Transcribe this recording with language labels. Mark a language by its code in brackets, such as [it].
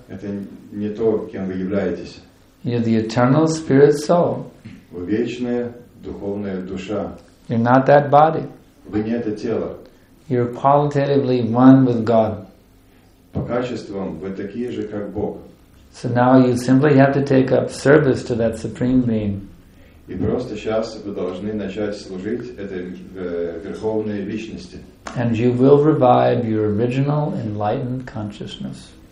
[ru] Это не то, кем вы являетесь. [en] You're the eternal spirit soul. [ru] Вы вечная духовная душа. [en] You're not that body. [ru] Вы не это тело. [en] You're qualitatively one with God. [ru] По качествам вы такие же, как Бог. [en] So now you simply have to take up service to that supreme being. [ru] И просто сейчас вы должны начать служить этой верховной личности. [en] And you will revive your original enlightened consciousness.